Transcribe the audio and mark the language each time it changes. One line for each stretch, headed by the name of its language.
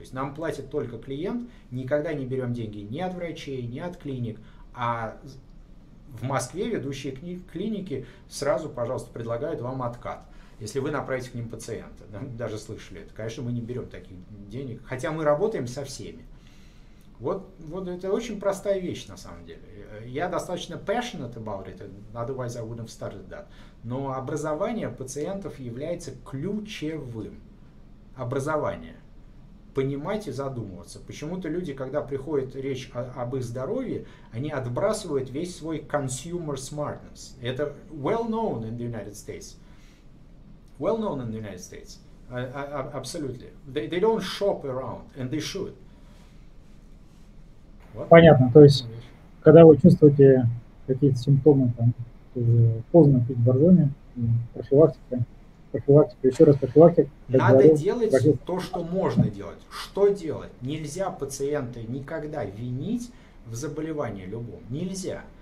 Russian: То есть нам платит только клиент, никогда не берем деньги ни от врачей, ни от клиник, а в Москве ведущие клиники сразу, пожалуйста, предлагают вам откат, если вы направите к ним пациента. Даже слышали это. Конечно, мы не берем таких денег, хотя мы работаем со всеми. Вот это очень простая вещь на самом деле. Я достаточно
English: passionate about it, otherwise I wouldn't have started that.
Russian: Но образование пациентов является ключевым. Образование. Понимать и задумываться. Почему-то люди, когда приходит речь об их здоровье, они отбрасывают весь свой
English: consumer smartness.
Russian: Это
English: well known in the United States. Well known in the United States. Absolutely. They don't shop around, and they should.
Russian: Понятно, то есть, когда вы чувствуете какие-то симптомы, там, поздно пить боржоми, профилактика, еще раз профилактика. Надо говорю, делать профилактика. То, что можно делать. Что делать? Нельзя пациента никогда винить в заболевании любом. Нельзя.